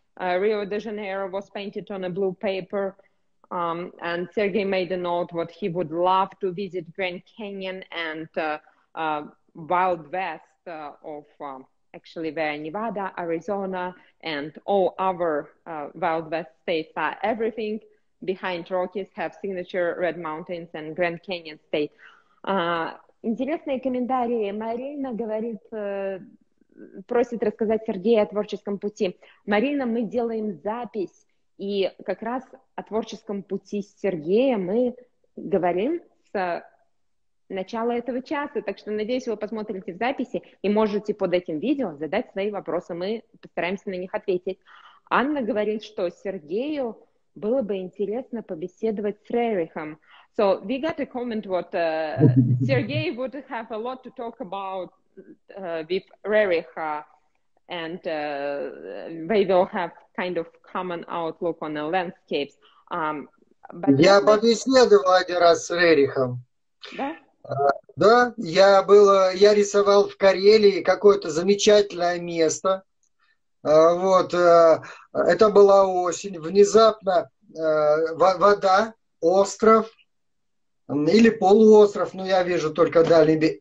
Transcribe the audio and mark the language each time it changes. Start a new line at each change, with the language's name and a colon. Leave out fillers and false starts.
English: Rio de Janeiro was painted on a blue paper, and Sergei made a note what he would love to visit Grand Canyon and Wild West of actually where Nevada, Arizona, and all other Wild West states are everything behind Rockies have signature red mountains and Grand Canyon state.
Russian: Интересные комментарии. Марина говорит, просит рассказать Сергею о творческом пути. Марина, мы делаем запись, и как раз о творческом пути с Сергеем мы говорим с начала этого часа. Так что, надеюсь, вы посмотрите в записи и можете под этим видео задать свои вопросы. Мы постараемся на них ответить. Анна говорит, что Сергею было бы интересно побеседовать с Рерихом.
English: So we got a comment what Sergei would have a lot to talk about with Rerich, and they will have kind of common outlook on the landscapes.
Russian: Я побеседовал один раз с Рерихом. Да? Да, я рисовал в Карелии какое-то замечательное место. Вот, это была осень, внезапно вода, остров, или полуостров, но я вижу только дальний берег.